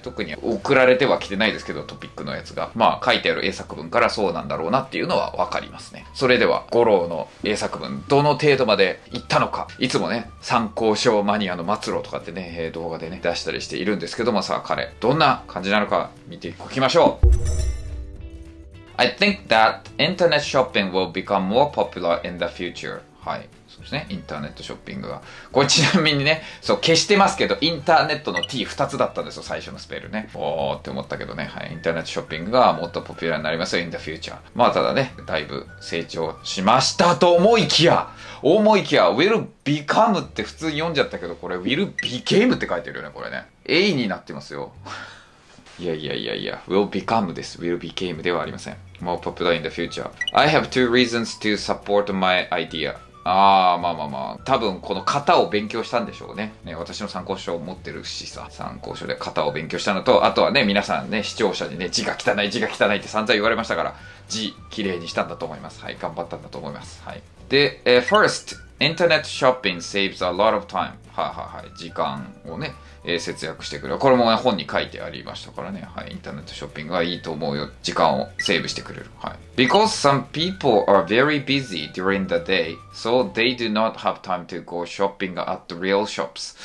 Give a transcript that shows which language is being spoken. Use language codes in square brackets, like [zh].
[ja] 特に送られては来てないですけど、トピックのやつが。まあ、書いてある英作文からそうなんだろうなっていうのはわかりますね。それでは、五郎の英作文、どの程度まで行ったのか。いつもね、参考書マニアの末路とかってね、動画でね、出したりしているんですけども、さあ、彼、どんな感じなのか見ておきましょう。 [en] I think that internet shopping will become more popular in the future. [ja] はい。そうですね。インターネットショッピングが。これちなみにね、そう、消してますけど、インターネットの T2 つだったんですよ、最初のスペルね。おーって思ったけどね。はい。インターネットショッピングがもっとポピュラーになりますよ、 [en] in the future。 [ja] まあ、ただね、だいぶ成長しましたと思いきや、思いきや、 [en] will become [ja] って普通に読んじゃったけど、これ [en] will became [ja] って書いてるよね、これね。 A になってますよ。いやいやいやいや、 [en] will become [ja] です。 [en] will became [ja] ではありません。 [en] more popular in the future。 I have two reasons to support my idea. [ja] ああ、まあまあまあ。多分、この型を勉強したんでしょうね。ね、私の参考書を持ってるしさ。参考書で型を勉強したのと、あとはね、皆さんね、視聴者にね、字が汚い、字が汚いって散々言われましたから、字、綺麗にしたんだと思います。はい、頑張ったんだと思います。はい。で、 [en] first, internet shopping saves a lot of time. [ja] はいはいはい。時間をね、節約してくれる。これもね、本に書いてありましたからね。はい。インターネットショッピングはいいと思うよ。時間をセーブしてくれる。はい。 [en] Because some people are very busy during the day, so they do not have time to go shopping at the real shops.